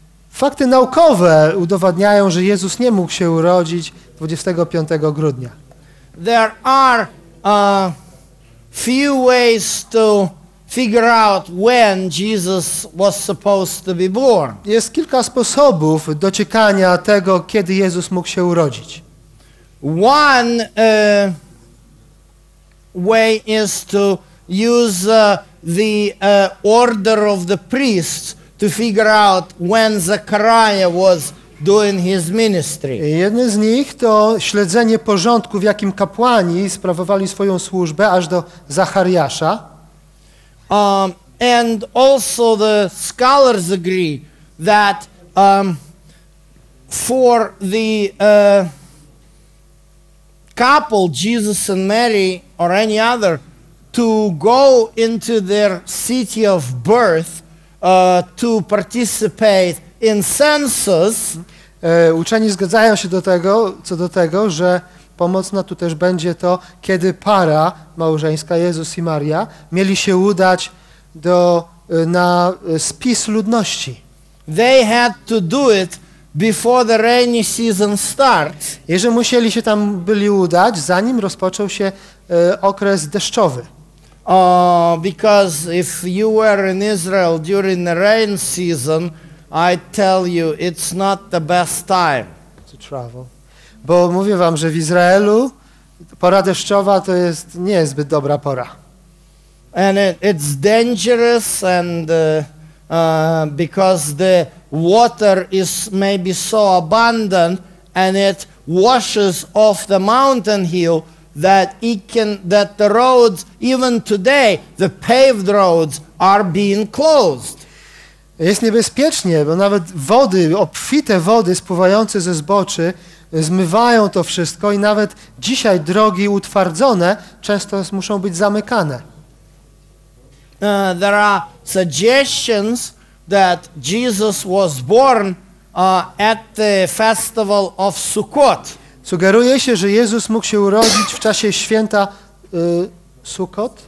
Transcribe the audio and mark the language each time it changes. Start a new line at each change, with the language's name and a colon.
Polish: Fakty naukowe udowadniają, że Jezus nie mógł się urodzić 25 grudnia.
English: There are few ways to figure out when Jesus was supposed to be born.
Polish: Jest kilka sposobów dociekania tego, kiedy Jezus mógł się urodzić.
English: One way is to use the order of the priests to figure out when Zechariah was doing his ministry.
Polish: Jednym z nich to śledzenie porządku, w jakim kapłani sprawowali swoją służbę aż do Zachariasza.
English: And also the scholars agree that for the couple Jesus and Mary or any other to go into their city of birth to participate in census.
Polish: Uczeni zgadzają się co do tego, że pomocna tu też będzie to, kiedy para małżeńska, Jezus i Maria, mieli się udać na spis ludności.
English: They had to do it before the rainy season starts.
Polish: I że musieli się tam byli udać, zanim rozpoczął się okres deszczowy.
English: Because if you were in Israel during the rain season, I tell you, it's not the best time to travel.
Polish: Bo mówię wam, że w Izraelu pora deszczowa to jest nie jest zbyt dobra pora.
English: And it's dangerous and because the water is maybe so abundant and it washes off the mountain hill that the roads, even today, the paved roads are being closed.
Polish: Jest niebezpiecznie, bo nawet wody, obfite wody spływające ze zboczy zmywają to wszystko i nawet dzisiaj drogi utwardzone często muszą być zamykane.
English: There are suggestions that Jesus was born at the festival of Sukkot.
Polish: Sugeruje się, że Jezus mógł się urodzić w czasie święta Sukkot?